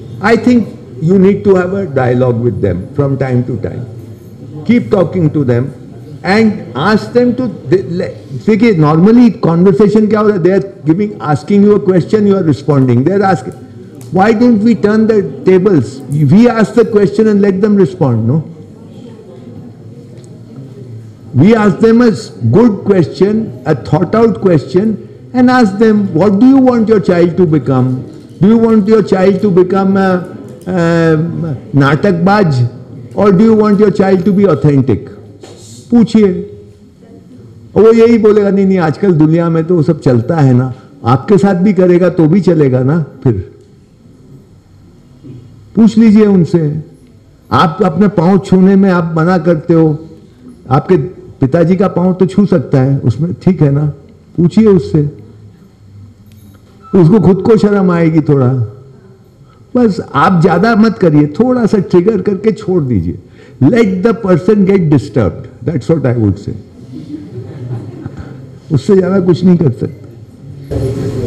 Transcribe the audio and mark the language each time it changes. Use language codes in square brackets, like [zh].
[en] I think you need to have a dialogue with them from time to time, keep talking to them and ask them to, [hi] देखिए normally conversation क्या हो रहा है, [en] They are giving, asking you a question, you are responding, they are asking, why don't we turn the tables, we ask the question and let them respond, no? We ask them a good question, a thought out question, and ask them, what do you want your child to become? Do you want your child to become a natakbaj, or do you want your child to be authentic? [hi] Poochiye. Wo yahi bolega, nahi nahi, aajkal duniya mein to wo sab chalta hai na, aapke saath bhi karega to bhi chalega na, phir pooch lijiye unse, aap apne paon chhune mein aap mana karte ho, aapke पिताजी का पांव तो छू सकता है उसमें, ठीक है ना? पूछिए उससे, उसको खुद को शर्म आएगी थोड़ा, बस आप ज्यादा मत करिए, थोड़ा सा ट्रिगर करके छोड़ दीजिए, [en] Let the person get disturbed, that's what I would say. [hi] उससे ज्यादा कुछ नहीं कर सकते।